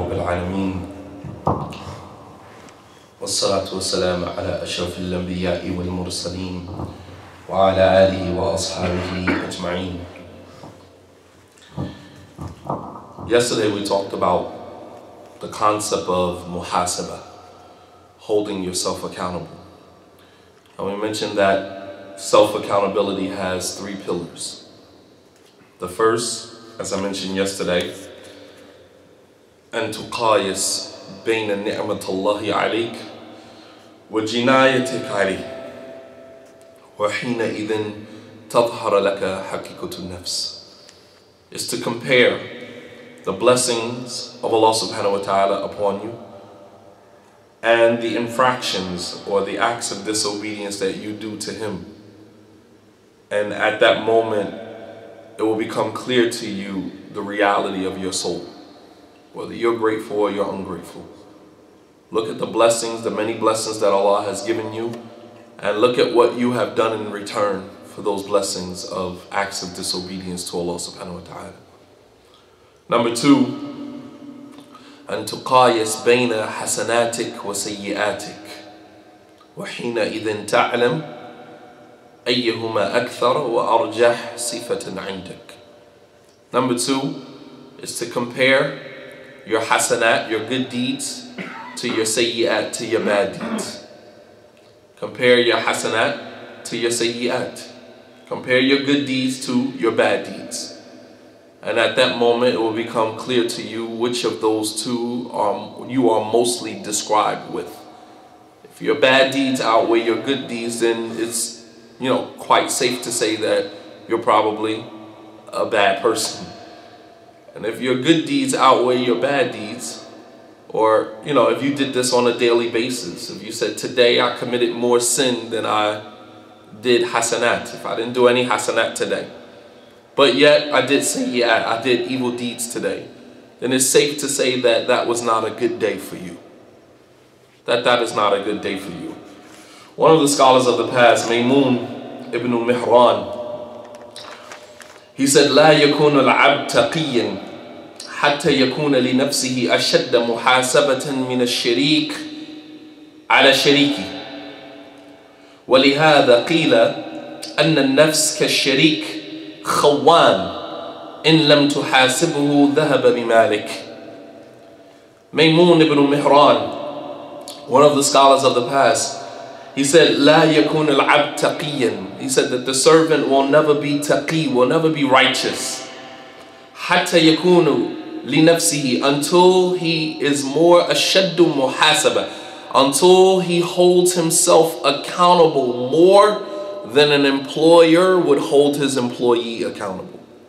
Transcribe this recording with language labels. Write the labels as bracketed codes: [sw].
[ar] العالمين والصلاة والسلام على أشرف الأنبياء والمرسلين وعلى آله وأصحابه أجمعين. [en] Yesterday we talked about the concept of muhasaba, holding yourself accountable. And we mentioned that self-accountability has three pillars. The first, as I mentioned yesterday, [ar] أن تقايس بين نعمة الله عليك وجنايتك عليه وحينئذ تظهر لك حقيقة النفس. [en] Is to compare the blessings of Allah subhanahu wa ta'ala upon you and the infractions or the acts of disobedience that you do to Him. And at that moment, it will become clear to you the reality of your soul, whether you're grateful or you're ungrateful. Look at the blessings, the many blessings that Allah has given you, and look at what you have done in return for those blessings of acts of disobedience to Allah subhanahu wa ta'ala. Number two, [ar] أن تقايس بين حسناتك وسيئاتك وحين إذن تعلم أيهما أكثر وأرجح صفة عندك. [en] Number two is to compare your hasanat, your good deeds, to your sayyi'at, to your bad deeds. Compare your hasanat to your sayyi'at. Compare your good deeds to your bad deeds. And at that moment, it will become clear to you which of those two you are mostly described with. If your bad deeds outweigh your good deeds, then it's, you know, quite safe to say that you're probably a bad person. And if your good deeds outweigh your bad deeds, or, you know, if you did this on a daily basis, if you said, today I committed more sin than I did hasanat, if I didn't do any hasanat today, but yet I did say, yeah, I did evil deeds today, then it's safe to say that that was not a good day for you. That is not a good day for you. One of the scholars of the past, Maymun ibn Mihran, he said, [ar] لا يكون العبد تقيا حتى يكون لنفسه أشد محاسبة من الشريك على شريكه. ولهذا قيل أن النفس كالشريك خوان إن لم تحاسبه ذهب بمالك. [en] Maymun ibn Mihran, one of the scholars of the past, he said, [ar] لا يكون العبد تقيا. [en] He said that the servant will never be taqi, will never be righteous. [ar] حتى يكون لنفسه, [en] until he is more [ar] أشد محاسبة, [en] until he holds himself accountable more than an employer would hold his employee accountable.